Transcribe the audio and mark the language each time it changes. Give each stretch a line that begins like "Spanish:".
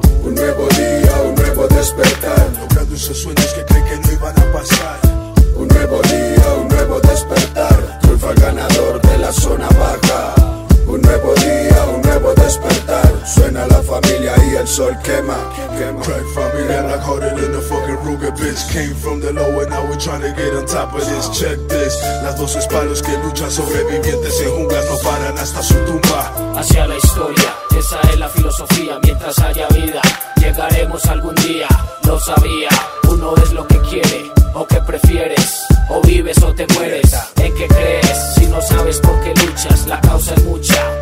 Spanish: Un nuevo día, un nuevo despertar. Logrando esos sueños que creí que no iban a pasar. Un nuevo día, un nuevo despertar. Triunfa el ganador de la zona baja. Un nuevo día, un nuevo despertar. Suena la familia y el sol quema, quema. Crack familia,
English: I caught it in the fucking Ruger, bitch. Came from the low and now we're trying to get on top of this. Check this.
Spanish: Las dos espaldas que luchan, sobrevivientes en junglas, no paran hasta su tumba. Hacia la historia, esa es la filosofía. Mientras haya vida, llegaremos algún día. Lo sabía, uno es lo que quiere o que prefieres. O vives o te mueres, ¿en qué crees? Si no sabes por qué luchas, la causa es mucha.